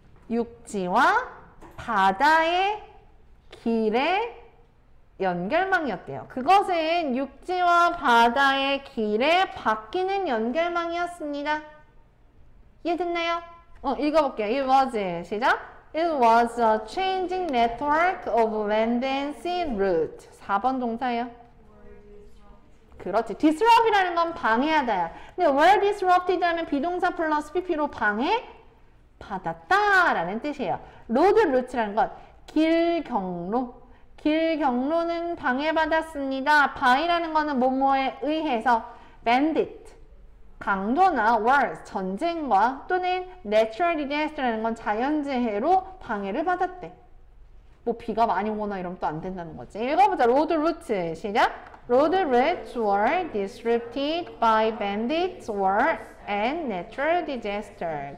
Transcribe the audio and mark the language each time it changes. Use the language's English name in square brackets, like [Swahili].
[Korean] 육지와 바다의 길의 연결망이었대요. 그것은 육지와 바다의 길의 바뀌는 연결망이었습니다. 이해됐나요? 읽어볼게요. [English] It was, [Korean] 시작. [English] It was a changing network of land and sea route. [Korean] 4번 동사예요. 그렇지. Disrupt이라는 건 방해하다야. 근데 were disrupted 하면 비동사 플러스 PP로 방해? 받았다라는 뜻이에요. 로드 루트라는 건길 경로. 길 경로는 방해받았습니다. 바이라는 거는 뭐뭐에 의해서 bandit 강도나 wars 전쟁과 또는 natural disaster라는 건 자연재해로 방해를 받았대. 뭐 비가 많이 오거나 이러면 또 안 된다는 거지. 읽어보자. 로드 루트 시작. [English] Road routes were disrupted by bandits, war, and natural disaster.